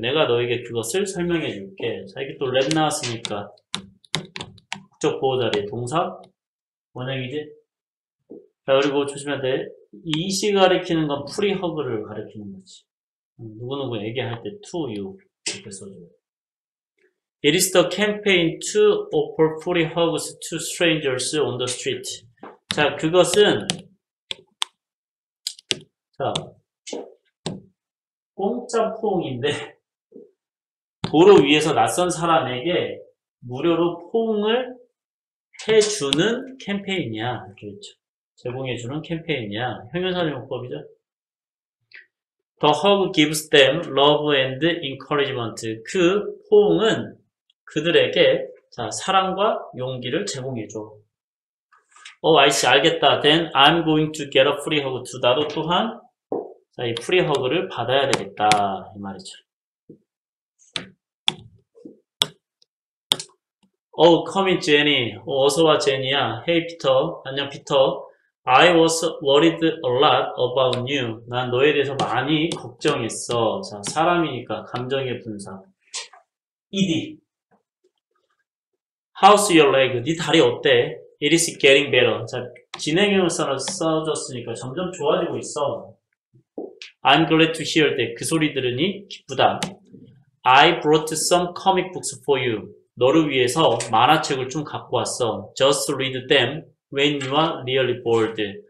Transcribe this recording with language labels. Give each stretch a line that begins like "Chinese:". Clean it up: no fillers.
Korean: 내가 너에게 그것을 설명해 줄게. 자, 이게 또 let 나왔으니까. 목적 보호자리 동사? 원형이지? 자, 그리고 조심해야 돼. 이시 가리키는 건 프리허그를 가리키는 거지. 누구누구에게 할때
English: to you.
Korean: 이렇게 써줘요.
English: It is the campaign to offer free hugs to strangers on the street.
Korean: 자, 그것은, 공짜퐁인데, 도로 위에서 낯선 사람에게 무료로 퐁을 해주는 캠페인이야. 이렇게 했죠. 제공해주는 캠페인이야. 형용사용법이죠.
English: The hug gives them love and encouragement.
Korean: 그 퐁은 그들에게 자, 사랑과 용기를 제공해줘.
English: I see,
Korean: 알겠다.
English: Then I'm going to get a free hug too.
Korean: 나도 또한 자, 이 프리 허그를 받아야 되겠다. 이 말이죠.
English: Oh, come in, Jenny.
Korean: 어서 와, 제니야.
English: Hey, Peter.
Korean: 안녕,
English: Peter. I was worried a lot about you.
Korean: 난 너에 대해서 많이 걱정했어. 자, 사람이니까 감정의 분사.
English: ED. How's your leg?
Korean: 네 다리 어때?
English: It is getting better.
Korean: 자, 진행형으로 써줬으니까 점점 좋아지고 있어.
English: I'm glad to hear that.
Korean: 그 소리 들으니 기쁘다.
English: I brought some comic books for you.
Korean: 너를 위해서 만화책을 좀 갖고 왔어.
English: Just read them when you are really bored.